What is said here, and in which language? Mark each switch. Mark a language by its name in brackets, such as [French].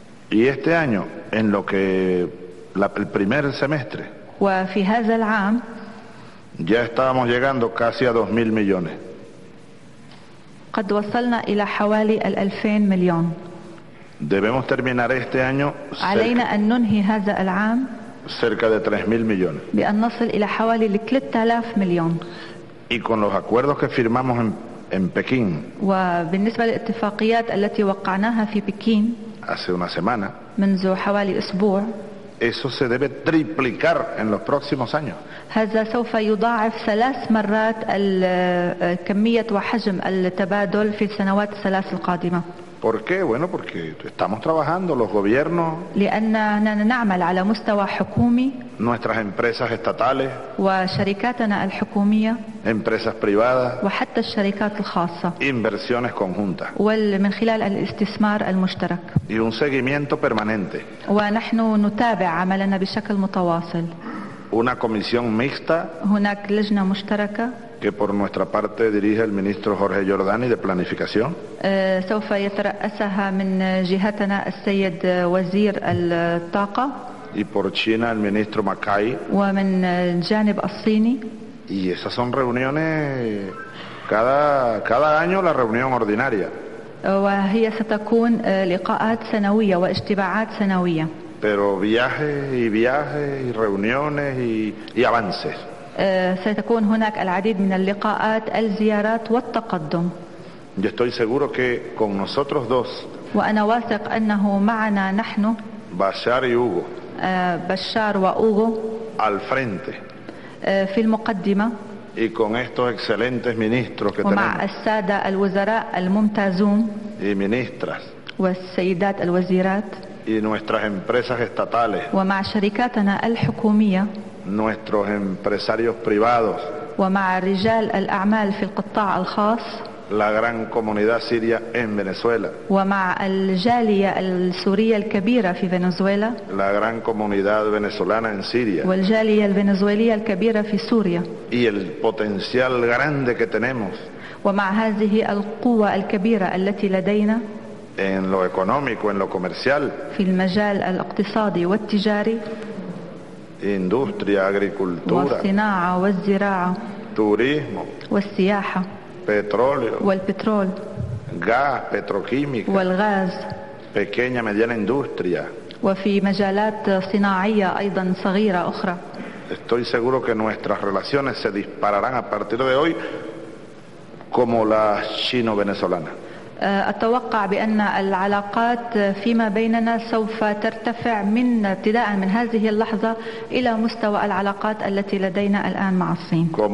[Spanish] Y este año en lo que el primer semestre. [Arabic] وفي هذا العام. [Spanish] Ya estábamos llegando casi a 2000 millones. [Arabic] قد وصلنا الى حوالي 2000 مليون. [Spanish] Debemos terminar este año [Arabic] علينا أن ننهي هذا العام [Spanish] cerca de 3000 millones. [Arabic] بأن نصل إلى حوالي 3000 مليون. [Spanish] Y con los acuerdos que firmamos en Pekín. [Arabic] وبالنسبة للاتفاقيات التي وقعناها في بكين. [Spanish] Hace una semana. [Arabic] منذ حوالي أسبوع. [Spanish] Eso se debe triplicar en los próximos años. [Arabic] هذا سوف يضاعف ثلاث مرات الكمية وحجم التبادل في السنوات الثلاث القادمة. [Spanish] ¿Por qué? Bueno, porque estamos trabajando los gobiernos. [Arabic] لأننا نعمل على مستوى حكومي. [Spanish] Nuestras empresas estatales. [Arabic] وشركاتنا الحكومية. [Spanish] Empresas privadas. [Arabic] وحتى الشركات الخاصة. [Spanish] Inversiones conjuntas. [Arabic] ومن خلال الاستثمار المشترك. [Spanish] Y un seguimiento permanente. [Arabic] ونحن نتابع عملنا بشكل متواصل. [Spanish] Una comisión mixta. [Arabic] هناك لجنة مشتركة. [Spanish] Que por nuestra parte dirige el ministro Jorge Jordani de Planificación. [Arabic] سوف يترأسها من جهتنا السيد وزير الطاقة. [Spanish] Y por China el ministro Makai. [Arabic] ومن جانب الصيني. [Spanish] Y esas son reuniones cada año la reunión ordinaria. [Arabic] وهي ستكون لقاءات سنوية واجتماعات سنوية. [Spanish] Pero viajes y reuniones y avances. [Arabic] سيكون هناك العديد من اللقاءات الزيارات والتقدم. [Spanish] Yo estoy seguro que con nosotros dos. [Arabic] وأنا واثق أنه معنا نحن. [Spanish] Bashar y Hugo. [Arabic] بشار وأوغو. [Spanish] Al frente. [Arabic] في المقدمة. [Spanish] Y con estos excelentes ministros que [Arabic] ومع ومع السادة الوزراء الممتازون. [Spanish] Y ministras. [Arabic] والسيدات الوزيرات. [Spanish] Y nuestras empresas estatales. [Arabic] ومع شركاتنا الحكومية. [Spanish] Nuestros empresarios privados. [Arabic] ومع رجال الأعمال في القطاع الخاص. [Spanish] La gran comunidad siria en Venezuela. [Arabic] ومع الجالية السورية الكبيرة في فنزويلا. [Spanish] La gran comunidad venezolana en Siria. [Arabic] والجالية الفنزويلية الكبيرة في سوريا. [Spanish] Y el potencial grande que tenemos. [Arabic] ومع هذه القوة الكبيرة التي لدينا. [Spanish] En lo económico, en lo comercial. [Arabic] في المجال الاقتصادي والتجاري. [Spanish] Industria, agricultura, [Arabic] والصناعة والزراعة, [Spanish] turismo, [Arabic] والسياحة, [Spanish] petróleo, [Arabic] والبترول, [Spanish] gas, petroquímica, [Arabic] والغاز, [Spanish] pequeña, mediana industria, [Arabic] وفي مجالات صناعية أيضا صغيرة أخرى. [Spanish] Estoy seguro que nuestras relaciones se dispararán a partir de hoy como las chino-venezolanas. [Arabic] أتوقع بأن العلاقات فيما بيننا سوف ترتفع من ابتداء من هذه اللحظة إلى مستوى العلاقات التي لدينا الآن مع الصين.